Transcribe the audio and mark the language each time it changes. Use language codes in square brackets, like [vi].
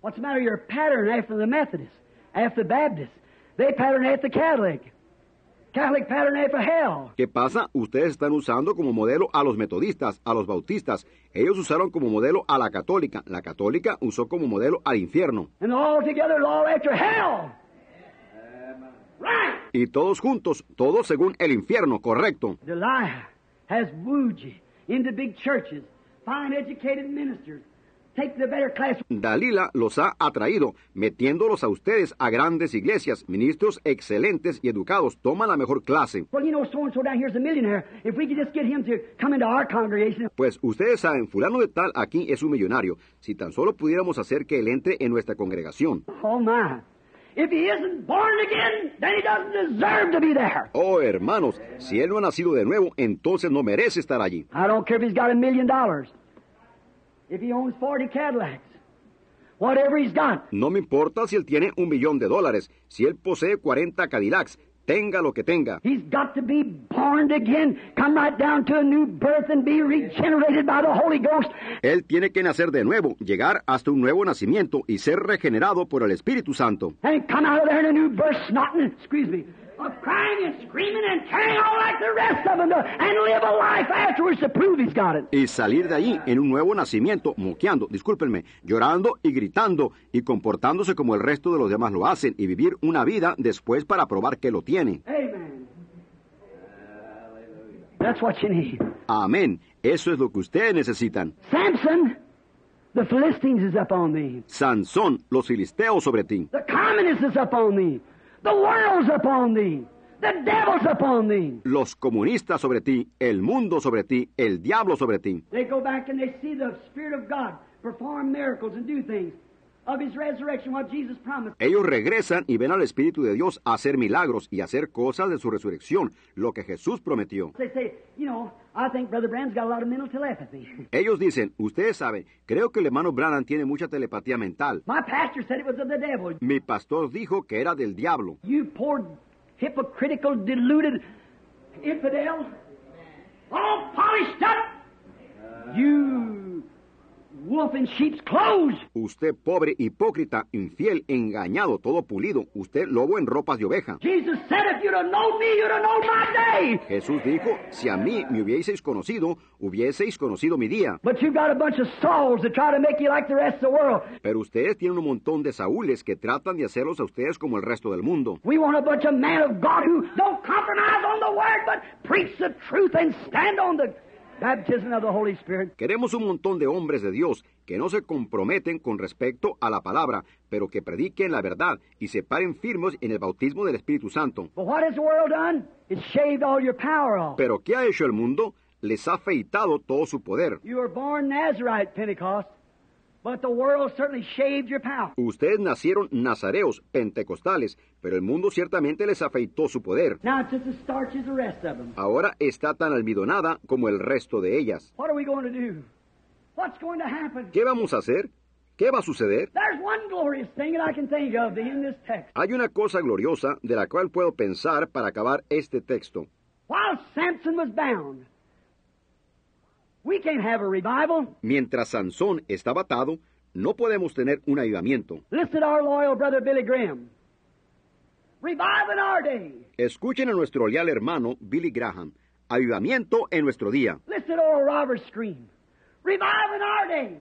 [en] What's the matter? Your pattern after the Methodist. After Baptist, they pattern after Catholic. Catholic pattern after hell. [es] ¿Qué pasa? Ustedes están usando como modelo a los metodistas, a los bautistas. Ellos usaron como modelo a la católica. La católica usó como modelo al infierno. [en] And all together, all after hell. Right. [es] Y todos juntos, todos según el infierno, correcto. [en] The liar has wooed you into big churches, fine educated ministers. Take the better class. [es] Dalila los ha atraído, metiéndolos a ustedes a grandes iglesias, ministros excelentes y educados. Toma la mejor clase. [en] Well, you know, so-and-so down here is a millionaire. If we could just get him to come into our congregation. [es] Pues ustedes saben, fulano de tal aquí es un millonario. Si tan solo pudiéramos hacer que él entre en nuestra congregación. [en] Oh, my. If he isn't born again, then he doesn't deserve to be there. [es] Oh, hermanos, si él no ha nacido de nuevo, entonces no merece estar allí. [en] I don't care if he's got $1,000,000. If he owns 40 Cadillacs, whatever he's got. [es] No me importa si él tiene $1,000,000. Si él posee 40 Cadillacs, tenga lo que tenga. [en] He's got to be born again, come right down to a new birth and be regenerated by the Holy Ghost. [es] Él tiene que nacer de nuevo, llegar hasta un nuevo nacimiento y ser regenerado por el Espíritu Santo. [en] And come out of there in a new birth, snotting, excuse me. Crying and screaming and tearing all like the rest of them do, and live a life afterwards to prove he's got it. [es] Y salir de allí en un nuevo nacimiento, moqueando, discúlpenme, llorando y gritando y comportándose como el resto de los demás lo hacen y vivir una vida después para probar que lo tiene. [en] Amen. That's what you need. [es] Amén. Eso es lo que ustedes necesitan. [en] Samson, the Philistines is up on thee. [es] Sansón, los filisteos sobre ti. [en] The communist is up on thee. The world's upon thee. The devil's upon thee. [es] Los comunistas sobre ti, el mundo sobre ti, el diablo sobre ti. [en] They go back and they see the Spirit of God perform miracles and do things of his resurrection, what Jesus promised. [es] Ellos regresan y ven al Espíritu de Dios hacer milagros y hacer cosas de su resurrección, lo que Jesús prometió. [en] They say, you know, I think Brother Branham's got a lot of mental telepathy. [es] Ellos dicen, ustedes saben, creo que el hermano Branham tiene mucha telepatía mental. [en] My pastor said it was of the devil. [es] Mi pastor dijo que era del diablo. [en] You poor, hypocritical, deluded infidel, all polished up, you wolf in sheep's clothes. [es] Usted pobre, hipócrita, infiel, engañado, todo pulido. Usted lobo en ropas de oveja. [en] Jesus said, if you'd have known me, you'd have known my day. [es] Jesús dijo, si a mí me hubieseis conocido mi día. [en] But you've got a bunch of souls that try to make you like the rest of the world. [es] Pero ustedes tienen un montón de saúles que tratan de hacerlos a ustedes como el resto del mundo. [en] We want a bunch of men of God who don't compromise on the word, but preach the truth and stand on the baptism of the Holy Spirit. [es] Queremos un montón de hombres de Dios que no se comprometen con respecto a la palabra, pero que prediquen la verdad y se paren firmes en el bautismo del Espíritu Santo. [en] But what has the world done? It's shaved all your power off. [es] Pero ¿qué ha hecho el mundo? Les ha afeitado todo su poder. [en] You were born Nazarite, Pentecost, but the world certainly shaved your power. [es] Ustedes nacieron nazareos, pentecostales, pero el mundo ciertamente les afeitó su poder. [en] Now it's just as starchy as the rest of them. [es] Ahora está tan almidonada como el resto de ellas. [en] What are we going to do? What's going to happen? [es] ¿Qué vamos a hacer? ¿Qué va a suceder? [en] There's one glorious thing that I can think of in this text. [es] Hay una cosa gloriosa de la cual puedo pensar para acabar este texto. [en] While Samson was bound, we can't have a revival. [es] Mientras Sansón está atado, no podemos tener un avivamiento. [en] Listen to our loyal brother Billy Graham. Revival in our day. [es] Escuchen a nuestro leal hermano Billy Graham. Avivamiento en nuestro día. [en] Listen to Oral Roberts scream. Revival in our day.